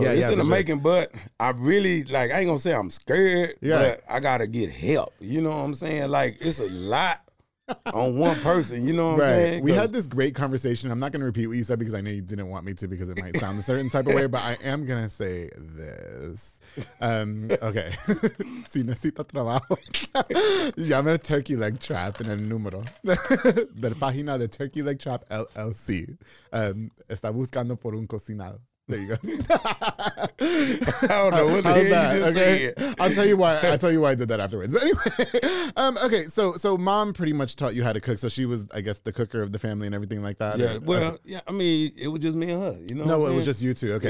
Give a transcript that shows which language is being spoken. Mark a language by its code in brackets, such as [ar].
[en] Yeah, it's in the making, but I really, like, I ain't gonna say I'm scared, but I gotta get help. You know what I'm saying? Like, it's a lot on one person, you know what I'm saying? We had this great conversation. I'm not going to repeat what you said because I know you didn't want me to because it might sound a certain type of way, but I am going to say this. Okay. [es] Si necesita trabajo, llame a Turkey Leg Trap en el número de la página de Turkey Leg Trap LLC. Está buscando por un cocinado. [en] There you go. I don't know what the hell you just said. I'll tell you why I did that afterwards. But anyway, okay, so mom pretty much taught you how to cook. So she was, I guess, the cooker of the family and everything like that. I mean, it was just me and her. You know, no, it was just you two. Okay,